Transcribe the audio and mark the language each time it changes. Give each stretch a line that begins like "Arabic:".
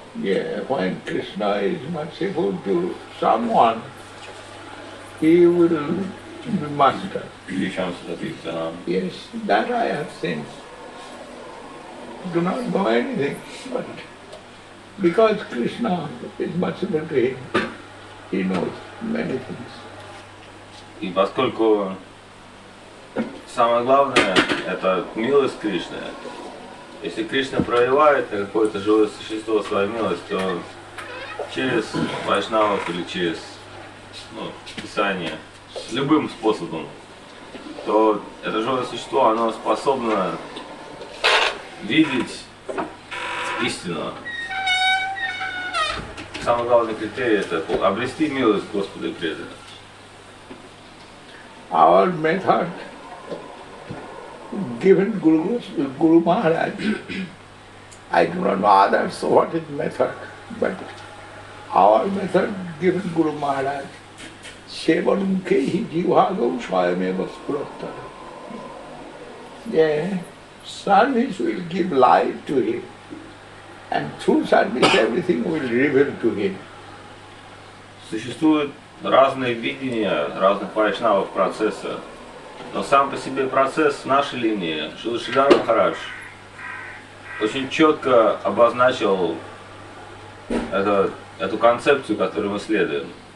English: Yeah, when Krishna is merciful to someone, he will. The master. He comes to the Pizza. Yes, that I have seen. Do not know anything, but because Krishna is merciful to him, he knows many things.
Russian: И поскольку самое главное – это милость Кришны. Если Кришна проявляет на какое-то живое существо свою милость, то через вайшнавов или через, ну, Писание, любым способом, то это живое существо, оно способно видеть истину. Самый главный критерий – это обрести милость Господа и преданность.
English: Our method given Guru Maharaj, I do not know others what is method, but our method given Guru Maharaj,
Sanskrit: Shevanum kehi jivhagam swayameva spurattara.
English: Yeah, service will give life to him. And through service everything will reveal to him.
Russian: Существуют разные видения разных вайшнавов процесса. Но сам по себе процесс в нашей линии, Шрила Шридхара Махарадж, очень четко обозначил эту концепцию, которую мы следуем.